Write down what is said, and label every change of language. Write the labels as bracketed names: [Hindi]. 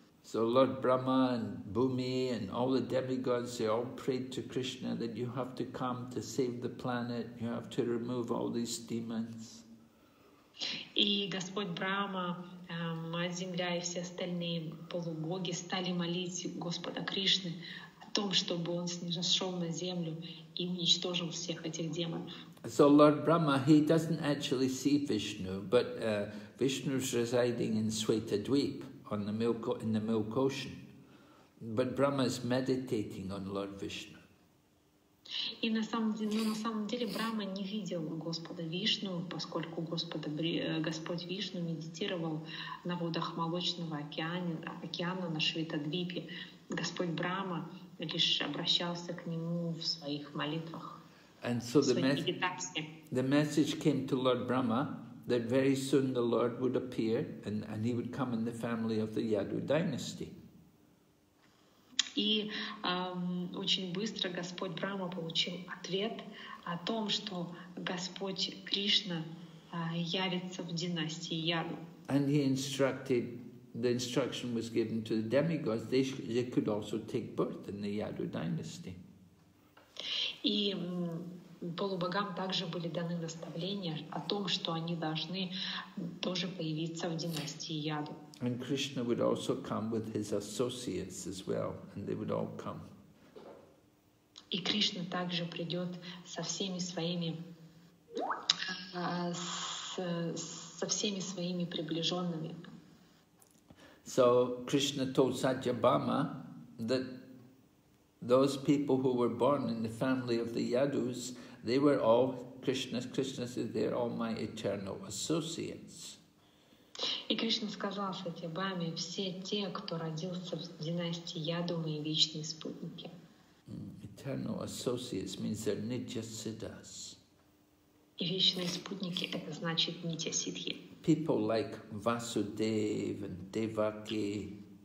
[English] So Lord Brahma and Bhumi and all the demigods, they all prayed to Krishna that you have to come to save the planet, you have to remove all these demons. [Russian] И Господь Брахма, Мать-Земля и все остальные полубоги стали молить Господа Кришны о том, чтобы он снизошел на землю и уничтожил всех этих демонов. [English] So Lord Brahma, he doesn't actually see Vishnu, but Vishnu is residing in Svetadvipa, in the milk ocean, but Brahma is meditating on Lord Vishnu. [Russian] И на самом деле Брахма не видел Господа Вишну, поскольку Господь Вишну медитировал на водах молочного океана на Шветадвипе. Господь Брахма лишь обращался к нему в своих молитвах. [English] And so the message came to Lord Brahma that very soon the Lord would appear and he would come in the family of the Yadu dynasty. [Russian] И очень быстро Господь Брахма получил ответ о том, что Господь Кришна явится в династии Яду. [English] And he instructed, the instruction was given to the demigods, they could also take birth in the Yadu dynasty. [Russian] И полубогам также были даны наставления о том, что они должны тоже появиться в династии Яду. [English] And Krishna would also come with his associates as well, and they would all come. [Russian] И Кришна также придет со всеми своими приближенными. [English] So Krishna told Satyabhama that those people who were born in the family of the Yadus, they were all Krishna said, they're all my eternal associates. [Russian] И Кришна сказал Сатьябхаме, все те, кто родился в династии Яду, мои вечные спутники. [English] Eternal associates means they're nitya siddhas. [Russian] И вечные спутники, это значит нитя сиддхи. [English] People like Vasudev and Devaki.